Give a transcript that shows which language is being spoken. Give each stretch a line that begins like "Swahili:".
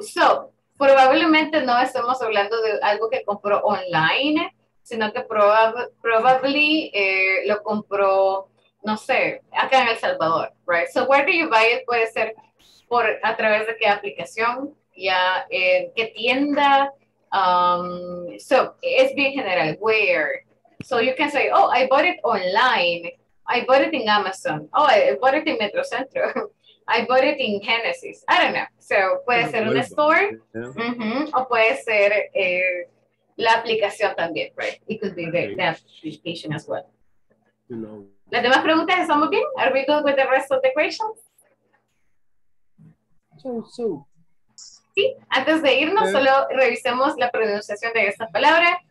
Spanish: So, probablemente no estemos hablando de algo que compró online, sino que
English: probably
Spanish: lo compró, no sé, acá en El Salvador, right?
English: So, where do you buy it?
Spanish: Puede ser por, a través de qué aplicación, ya, qué tienda. So, es bien general,
English: where. So, you can say, oh, I bought it online. I bought it in Amazon. Oh, I bought it in Metro Centro. I bought it in Genesis. I don't know. So,
Spanish: puede ser un
English: store. Mm-hmm.
Spanish: O puede ser la aplicación también, right?
English: It could be the application as well.
Spanish: No. ¿Las demás preguntas estamos bien?
English: Are we good with the rest of the questions? So.
Spanish: Sí, antes de irnos, solo revisemos la pronunciación de esta palabra.